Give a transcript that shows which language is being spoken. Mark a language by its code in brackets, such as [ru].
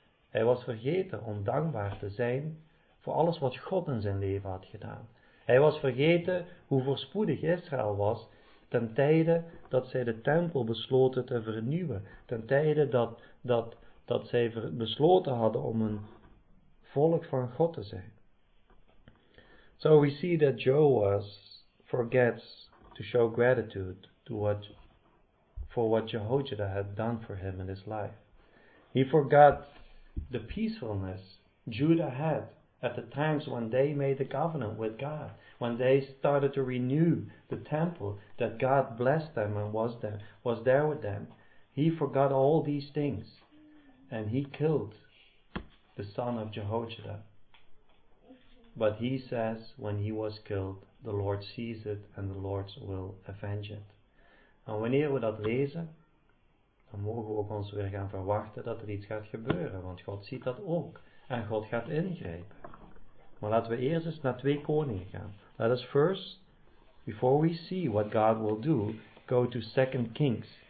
[nl] Hij was vergeten om dankbaar te zijn voor alles wat God in zijn leven had gedaan. Hij was vergeten hoe voorspoedig Israël was ten tijde dat zij de tempel besloten te vernieuwen. Ten tijde dat zij besloten hadden om een volk van God te zijn. [en] So we see that Joas forgets to show gratitude to what Jehoiada had done for him in his life. He forgot the peacefulness Judah had at the times when they made the covenant with God, when they started to renew the temple, that God blessed them and was there with them. He forgot all these things, and he killed the son of Jehoiada. But he says, when he was killed, the Lord sees it and the Lord will avenge it. [nl] En wanneer we dat lezen, dan mogen we ook ons weer gaan verwachten dat er iets gaat gebeuren. Want God ziet dat ook. En God gaat ingrijpen. Maar laten we eerst eens naar twee koningen gaan. [en] Let us first, before we see what God will do, go to 2 Kings.